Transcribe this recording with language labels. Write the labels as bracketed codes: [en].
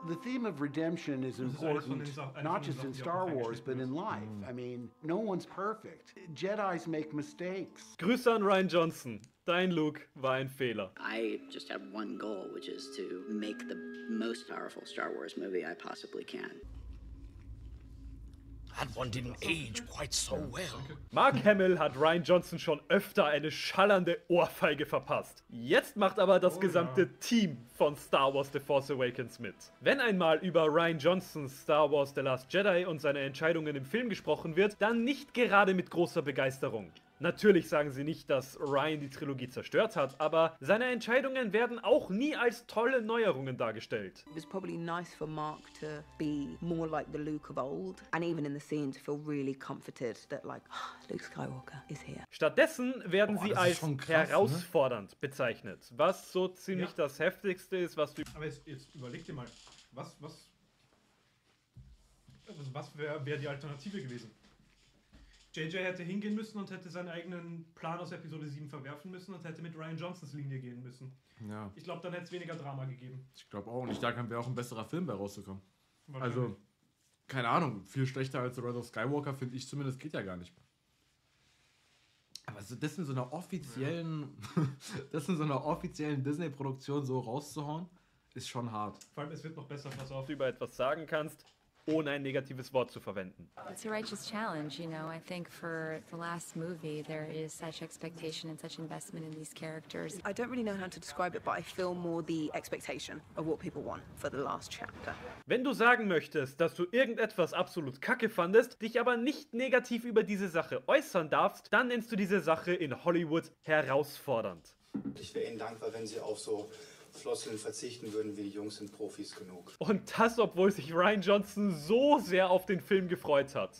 [en] The theme of redemption is important, not just in Star Wars, but in life. I mean, no one's perfect. Jedis make mistakes. [de] Grüße an Rian Johnson. Dein Luke war ein Fehler. [en] I just have one goal, which is to make the most powerful Star Wars movie I possibly can. That one didn't age quite so well. [de] Mark Hamill hat Rian Johnson schon öfter eine schallende Ohrfeige verpasst. Jetzt macht aber das gesamte Team von Star Wars The Force Awakens mit. Wenn einmal über Rian Johnsons Star Wars The Last Jedi und seine Entscheidungen im Film gesprochen wird, dann nicht gerade mit großer Begeisterung. Natürlich sagen sie nicht, dass Rian die Trilogie zerstört hat, aber seine Entscheidungen werden auch nie als tolle Neuerungen dargestellt. [en] It was probably nice for Mark to be more like the Luke of old and even in the scene to feel really comforted that like Luke Skywalker is here. [de] Stattdessen werden sie als krass, herausfordernd bezeichnet, was so ziemlich das heftigste ist, was du. Aber jetzt überleg dir mal, was wär die Alternative gewesen? JJ hätte hingehen müssen und hätte seinen eigenen Plan aus Episode 7 verwerfen müssen und hätte mit Rian Johnsons Linie gehen müssen. Ja. Ich glaube, dann hätte es weniger Drama gegeben. Ich glaube auch. Und ich dachte, dann wäre auch ein besserer Film bei rausgekommen. Also, keine Ahnung. Viel schlechter als The Rise of Skywalker, finde ich zumindest, geht ja gar nicht. Aber das in so einer offiziellen Disney-Produktion so rauszuhauen, ist schon hart. Vor allem, es wird noch besser, pass auf, über etwas sagen kannst. Ohne ein negatives Wort zu verwenden. [en] It's a righteous challenge, you know. I think for the last movie, there is such expectation and such investment in these characters. I don't really know how to describe it, but I feel more the expectation of what people want for the last chapter. [de] Wenn du sagen möchtest, dass du irgendetwas absolut kacke fandest, dich aber nicht negativ über diese Sache äußern darfst, dann nennst du diese Sache in Hollywood herausfordernd. Ich wäre Ihnen dankbar, wenn Sie auch so Flosseln verzichten würden, wir Jungs sind Profis genug. Und das, obwohl sich Rian Johnson so sehr auf den Film gefreut hat.